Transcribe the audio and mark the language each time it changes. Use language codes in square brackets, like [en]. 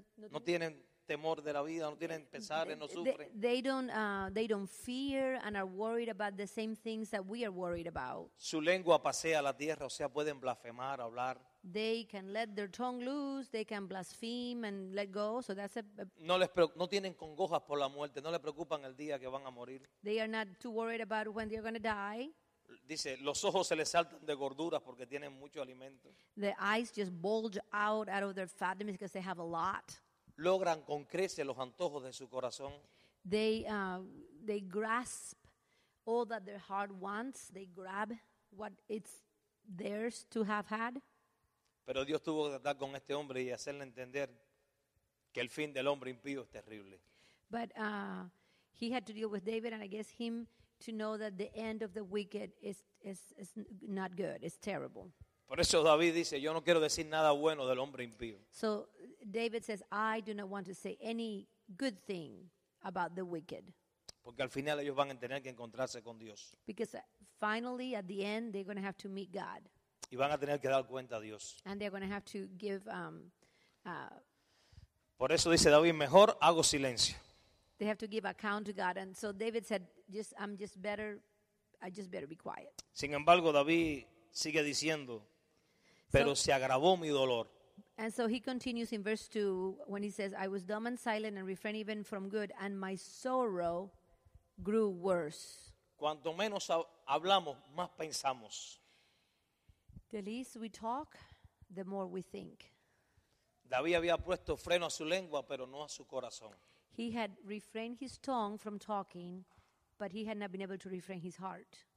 [es] No tienen temor de la vida, no tienen pesares, no sufren. [en] They don't fear and are worried about the same things that we are worried about. [es] Su lengua pasea la tierra, o sea, pueden blasfemar, hablar. [en] They can let their tongue loose, they can blaspheme and let go. So that's [es] no tienen congojas por la muerte, no le preocupan el día que van a morir. [en] They are not too worried about when they're going to die. [es] Dice, los ojos se les saltan de gorduras porque tienen mucho alimento. [en] The eyes just bulge out of their fatness because they have a lot. [es] Logran con creces los antojos de su corazón. [en] They grasp all that their heart wants. They grab what it's theirs to have had. [es] Pero Dios tuvo que tratar con este hombre y hacerle entender que el fin del hombre impío es terrible. [en] But he had to deal with David and I guess him to know that the end of the wicked is not good. It's terrible. [es] Por eso David dice, yo no quiero decir nada bueno del hombre impío. [en] So David says, I do not want to say any good thing about the wicked. [es] Porque al final ellos van a tener que encontrarse con Dios. [en] Because finally, at the end, they're going to have to meet God. [es] Y van a tener que dar cuenta a Dios. [en] And they're going to have to give... [es] Por eso dice David, mejor hago silencio. [en] They have to give account to God. And so David said, I just better be quiet. [es] Sin embargo, David sigue diciendo, pero se agravó mi dolor. [en] And so he continues in verse 2 when he says, I was dumb and silent and refrained even from good, and my sorrow grew worse. [es] Cuanto menos hablamos, más pensamos. [en] The less we talk, the more we think. [es] David había puesto freno a su lengua, pero no a su corazón. [en] He had refrained his tongue from talking, but he had not been able to refrain his heart.